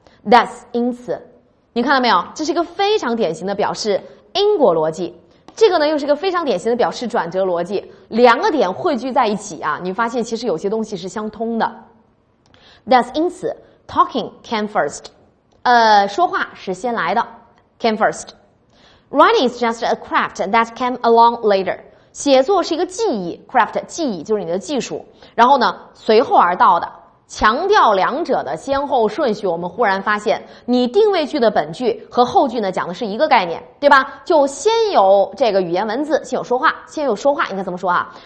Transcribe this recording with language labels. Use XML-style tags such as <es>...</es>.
<zh>That's 因此，你看到没有，这是一个非常典型的表示因果逻辑，这个呢又是一个非常典型的表示转折逻辑，两个点汇聚在一起啊，你发现其实有些东西是相通的。</zh> <en>That's</en> <zh>因此</zh> <en>talking came first，</en> <zh>说话是先来的。</zh> <en>came first. Writing is just a craft that came along later.</en> <zh>写作是一个技艺 ，craft 技艺就是你的技术。然后呢，随后而到的，强调两者的先后顺序，我们忽然发现，你定位句的本句和后句呢讲的是一个概念，对吧？就先有这个语言文字，先有说话，先有说话应该怎么说啊？</zh>